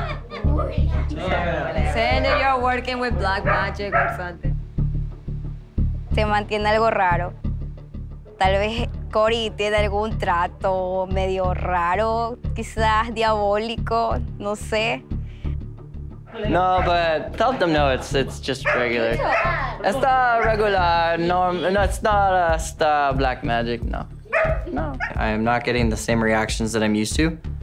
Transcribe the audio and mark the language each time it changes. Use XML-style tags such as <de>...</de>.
<en>Saying that you're working with black magic or something.</en> <es>Se mantiene algo raro. Tal vez Cory tiene algún trato medio raro, quizás diabólico, no sé.</es> <en>No, but tell them no, it's just regular.</en> <es>Está regular, normal, no,</es> <en>it's not</en> <es>está</es> <en>black magic,</en> <es>no. No.</es> <en>I am not getting the same reactions that I'm used to.</en>